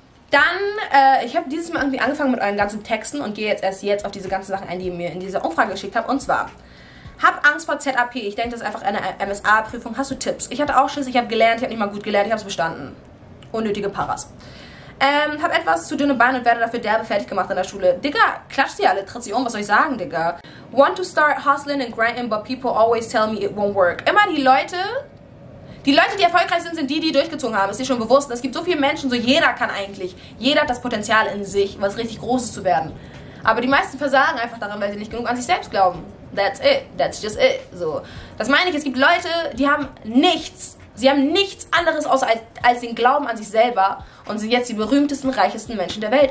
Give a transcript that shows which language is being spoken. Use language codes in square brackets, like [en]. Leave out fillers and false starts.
[de] Dann, ich habe dieses Mal irgendwie angefangen mit euren ganzen Texten und gehe jetzt erst auf diese ganzen Sachen ein, die ihr mir in dieser Umfrage geschickt habt. Und zwar, hab Angst vor ZAP. Ich denke, das ist einfach eine MSA-Prüfung. Hast du Tipps? Ich hatte auch Schiss. Ich habe gelernt. Ich habe nicht mal gut gelernt. Ich habe es bestanden. Unnötige Paras. Hab etwas zu dünne Beine und werde dafür derbe fertig gemacht in der Schule. Digga, klatscht ihr alle, tritt sie um, was soll ich sagen, Digga? [en] Want to start hustling and grinding, but people always tell me it won't work. [de] Immer die Leute, die erfolgreich sind, sind die durchgezogen haben. Ist dir schon bewusst? Es gibt so viele Menschen, so jeder kann eigentlich. Jeder hat das Potenzial in sich, was richtig Großes zu werden. Aber die meisten versagen einfach daran, weil sie nicht genug an sich selbst glauben. [en] That's it. That's just it. [de] So. Das meine ich, es gibt Leute, die haben nichts. Sie haben nichts anderes außer als den Glauben an sich selber und sind jetzt die berühmtesten, reichesten Menschen der Welt.